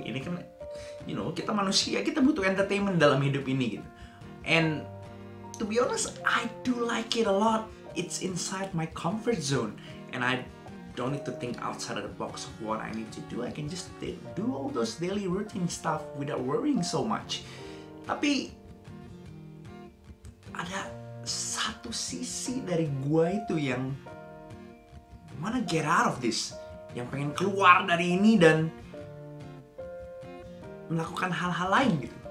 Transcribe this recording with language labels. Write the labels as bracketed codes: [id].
[id] Ini kan, [en] you know, [id] kita manusia, kita butuh entertainment dalam hidup ini gitu. [en] And to be honest, I do like it a lot. It's inside my comfort zone. And I don't need to think outside of the box of what I need to do. I can just do all those daily routine stuff without worrying so much. [id] Tapi ada satu sisi dari gua itu yang [en] wanna get out of this, [id] yang pengen keluar dari ini dan melakukan hal-hal lain gitu.